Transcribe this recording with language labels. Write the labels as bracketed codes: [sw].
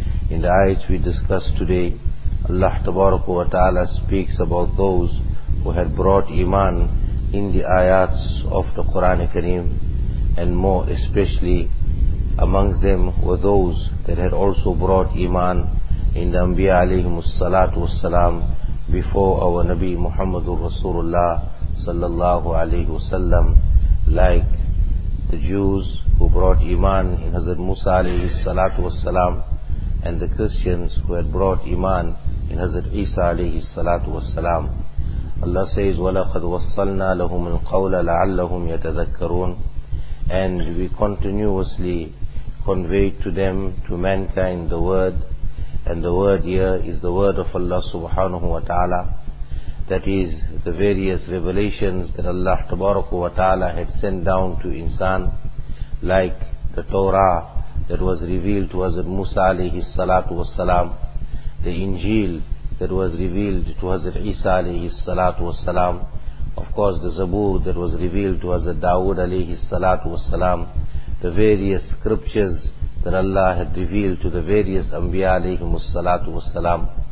[en] In the ayats we discussed today, Allah Tabaraka wa Ta'ala speaks about those who had brought iman in the ayats of the Quran Kareem, and more especially amongst them were those that had also brought iman in the Anbiya alayhimus salatu was salam before our Nabi Muhammadur Rasulullah sallallahu alayhi wa sallam, like the Jews who brought iman in Hazrat Musa alayhi salatu was salam, and the Christians who had brought iman in Hazrat Isa alayhi salatu was salam. [ar] Allah says, وَلَقَدْ وَصَّلْنَا لَهُمُ الْقَوْلَ لَعَلَّهُمْ يَتَذَكَّرُونَ. [en] And we continuously conveyed to them, to mankind, the word, and the word here is the word of Allah subhanahu wa ta'ala, that is the various revelations that Allah tabaraka wa ta'ala had sent down to insan, like the Torah that was revealed to Hazrat Musa alayhi salatu was salam, the Injil that was revealed to Hazrat Isa alayhi salatu was salam, of course the Zabur that was revealed to Hazrat Dawood alayhi salatu was salam, the various scriptures that Allah had revealed to the various Anbiya alayhimus salatu was salam.